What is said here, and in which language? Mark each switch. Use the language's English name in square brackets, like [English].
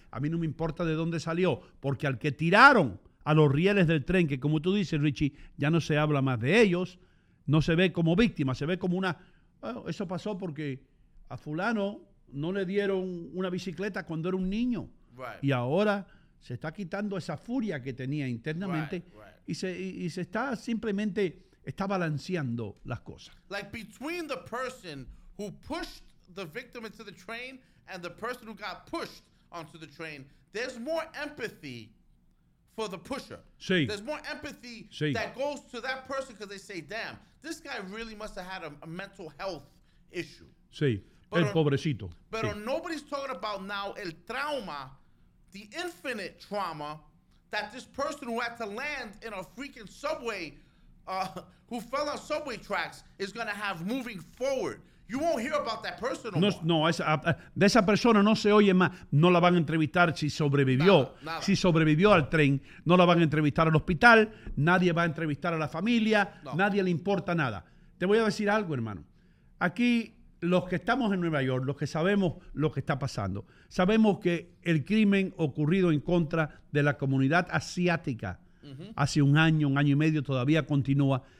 [Spanish] A mí no me importa de dónde salió, porque al que tiraron a los rieles del tren, que como tú dices, Richie, ya no se habla más de ellos, no se ve como víctima, se ve como una... Bueno, eso pasó porque a fulano no le dieron una bicicleta cuando era un niño. [English] Right. [Spanish] Y ahora se está quitando esa furia que tenía internamente. [English] Right, right. [Spanish] Y se está simplemente... Está balanceando las cosas. [English] Like between the person who pushed the victim into the train and the person who got pushed onto the train, there's more empathy for the pusher. [Spanish] Sí. [English] There's more empathy sí. that goes to that person because they say, damn, this guy really must have had a mental health issue. [Spanish] Sí, pero, el pobrecito. Pero sí. [English] Nobody's talking about now [Spanish] el trauma, [English] the infinite trauma that this person who had to land in a freaking subway who fell on subway tracks is going to have moving forward. You won't hear about that person no more. [Spanish] No, de esa persona no se oye más. No la van a entrevistar si sobrevivió. Nada. Si sobrevivió al tren, no la van a entrevistar al hospital. Nadie va a entrevistar a la familia. No. Nadie le importa nada. Te voy a decir algo, hermano. Aquí, los que estamos en Nueva York, los que sabemos lo que está pasando, sabemos que el crimen ocurrido en contra de la comunidad asiática hace un año y medio, todavía continúa.